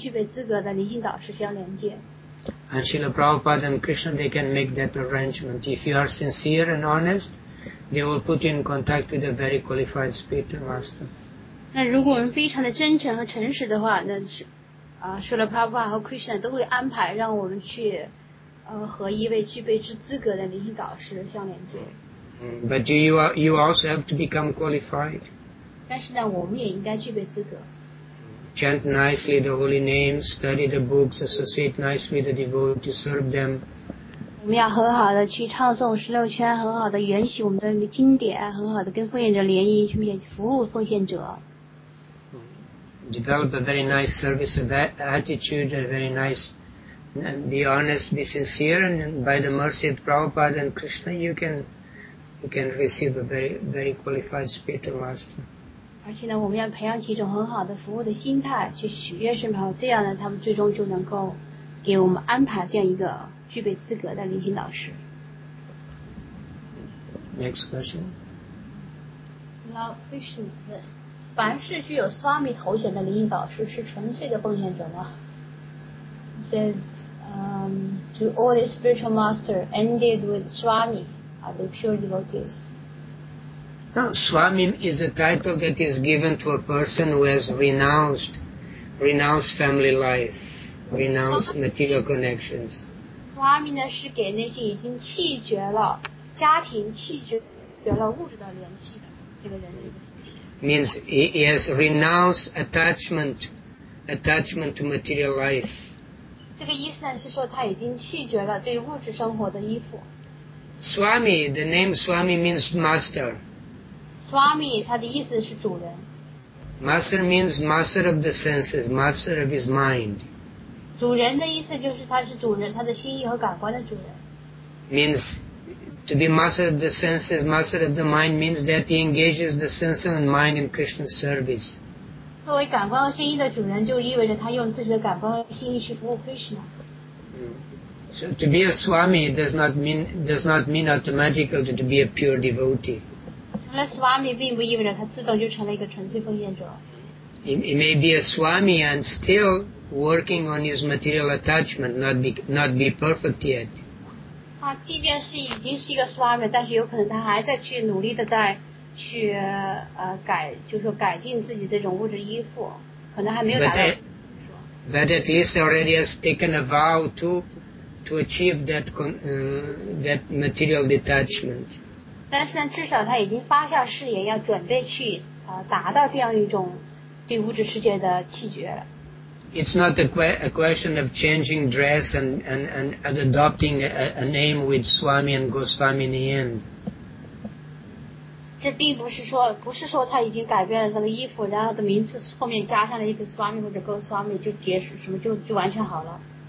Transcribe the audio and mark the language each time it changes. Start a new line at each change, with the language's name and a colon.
Chinese: 而且呢，我们要向圣帕巴祈祷，祈求他让我们去和一个非常具备资格的灵性导师相连接。
English: And Srila Prabhupada and Krishna, they can make that arrangement. If you are sincere and honest, they will put you in contact with a very qualified spiritual master.
Chinese: 那如果我们非常的真诚和诚实的话，那是啊，舍勒帕布瓦和 Krishna 都会安排让我们去和一位具备之资格的灵性导师相连接。
English: But you also have to become qualified.
Chinese: 但是呢，我们也应该具备资格。
English: Chant nicely the holy names, study the books, associate nicely with the devotees, to serve them.
Chinese: 我们要很好的去唱诵十六圈，很好的研习我们的经典，很好的跟奉献者联谊，去服务奉献者。
English: Develop a very nice service of attitude, a very nice, and be honest, be sincere, and by the mercy of Prabhupada and Krishna, you can receive a very, very qualified spiritual master.
Chinese: 而且呢，我们要培养起一种很好的服务的心态，去许愿圣朋友，这样呢，他们最终就能够给我们安排这样一个具备资格的灵性导师。
English: Next question.
Chinese: Lord Krishna. 凡是具有 Swami 头衔的灵性导师是纯粹的奉献者吗？
English: He says, do all the spiritual masters ended with Swami? Are they pure devotees? No, Swami is a title that is given to a person who has renounced family life, renounced material connections.
Chinese: Swami 呢是给那些已经弃绝了家庭、弃绝了物质的联系的这个人的一个。
English: Means he has renounced attachment to material life.
Chinese: 这个意思呢是说他已经弃绝了对物质生活的依附。
English: Swami, the name Swami means master.
Chinese: Swami, 他的意思是主人。
English: Master means master of the senses, master of his mind.
Chinese: 主人的意思就是他是主人，他的心意和感官的主人。
English: Means. To be master of the senses, master of the mind means that he engages the senses and mind in Krishna's service.
Chinese: 作为感官和心意的主人，就意味着他用自己的感官和心意去服务 Krishna.
English: So to be a Swami does not mean automatically to be a pure devotee.
Chinese: 成了 Swami 并不意味着他自动就成了一个纯粹奉献者。
English: He may be a Swami and still working on his material attachment, not be perfect yet.
Chinese: 他即便是已经是一个 Swami， 但是有可能他还在去努力的在去改，就是说改进自己这种物质依附，可能还没有达到。
English: But at least already has taken a vow to achieve that material detachment.
Chinese: 但是呢，至少他已经发下誓言，要准备去达到这样一种对物质世界的弃绝了。
English: It's not a question of changing dress and adopting a name with Swami and Goswami in the end.
Chinese: 这并不是说他已经改变了这个衣服，然后的名字后面加上了一个 Swami 或者 Goswami 就结束什么就完全好了。